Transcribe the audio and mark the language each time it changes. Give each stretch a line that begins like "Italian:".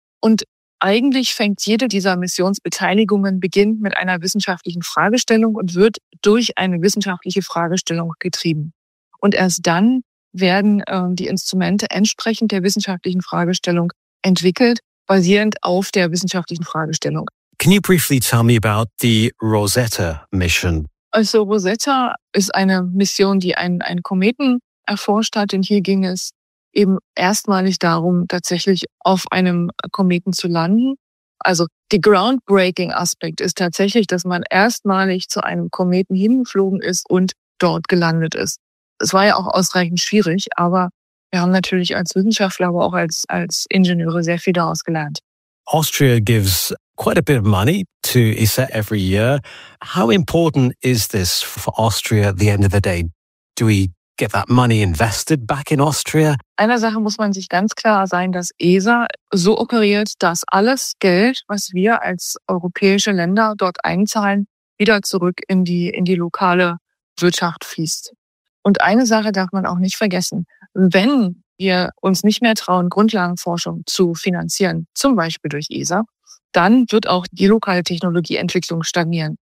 German: Und eigentlich fängt jede dieser Missionsbeteiligungen beginnt mit einer wissenschaftlichen Fragestellung und wird durch eine wissenschaftliche Fragestellung getrieben. Und erst dann werden die Instrumente entsprechend der wissenschaftlichen Fragestellung entwickelt, basierend auf der wissenschaftlichen Fragestellung.
English: Can you briefly tell me about the Rosetta Mission?
German: Also Rosetta ist eine Mission, die einen Kometen erforscht hat, denn hier ging es eben erstmalig darum, tatsächlich auf einem Kometen zu landen. Also der Groundbreaking-Aspekt ist tatsächlich, dass man erstmalig zu einem Kometen hingeflogen ist und dort gelandet ist. Es war ja auch ausreichend schwierig, aber wir haben natürlich als Wissenschaftler, aber auch als Ingenieure sehr viel daraus gelernt.
English: Austria gives quite a bit of money to ESA every year. How important is this for Austria at the end of the day? Do we get that money invested back in Austria?
German: Einer Sache muss man sich ganz klar sein, dass ESA so operiert, dass alles Geld, was wir als europäische Länder dort einzahlen, wieder zurück in die lokale Wirtschaft fließt. Und eine Sache darf man auch nicht vergessen. Wenn wir uns nicht mehr trauen, Grundlagenforschung zu finanzieren, zum Beispiel durch ESA, dann wird auch die lokale Technologieentwicklung stagnieren.